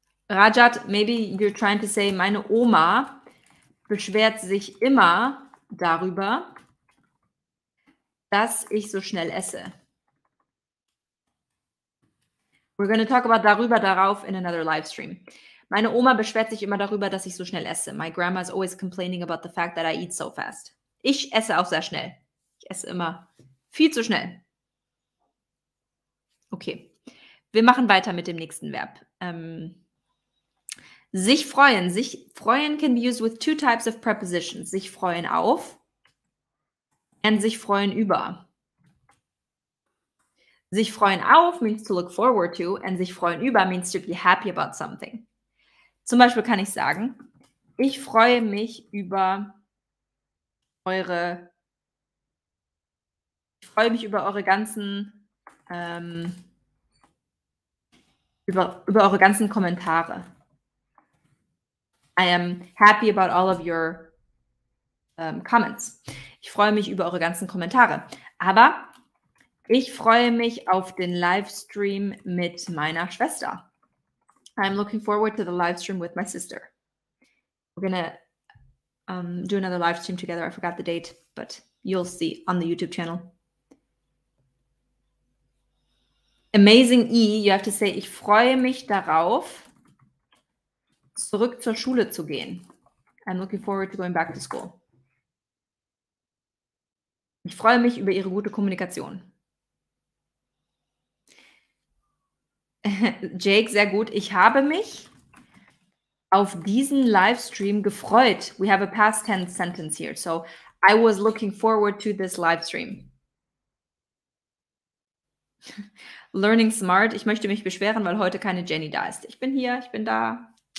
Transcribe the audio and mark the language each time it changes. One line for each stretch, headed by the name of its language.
German: Rajat,
English: maybe you're trying to say,
German: meine Oma beschwert sich immer darüber, dass ich so schnell esse.
English: We're going to talk about darüber darauf in another live stream.
German: Meine Oma beschwert sich immer darüber, dass ich so schnell esse.
English: My grandma is always complaining about the fact that I eat so fast.
German: Ich esse auch sehr schnell. Ich esse immer viel zu schnell. Okay. Wir machen weiter mit dem nächsten Verb. Sich freuen.
English: Sich freuen can be used with two types of prepositions.
German: Sich freuen auf and sich freuen über.
English: Sich freuen auf means to look forward to and sich freuen über means to be happy about something.
German: Zum Beispiel kann ich sagen, ich freue mich über eure, ich freue mich über eure ganzen, über eure ganzen Kommentare.
English: I am happy about all of your comments.
German: Ich freue mich über eure ganzen Kommentare. Aber ich freue mich auf den Livestream mit meiner Schwester.
English: I'm looking forward to the livestream with my sister. We're gonna do another livestream together. I forgot the date, but you'll see on the YouTube channel.
German: Amazing E,
English: you have to say,
German: ich freue mich darauf, zurück zur Schule zu gehen.
English: I'm looking forward to going back to school.
German: Ich freue mich über ihre gute Kommunikation. Jake, sehr gut. Ich habe mich auf diesen Livestream gefreut.
English: We have a past tense sentence here. So, I was looking forward to this Livestream. Learning smart.
German: Ich möchte mich beschweren, weil heute keine Jenny da ist. Ich bin hier, ich bin da.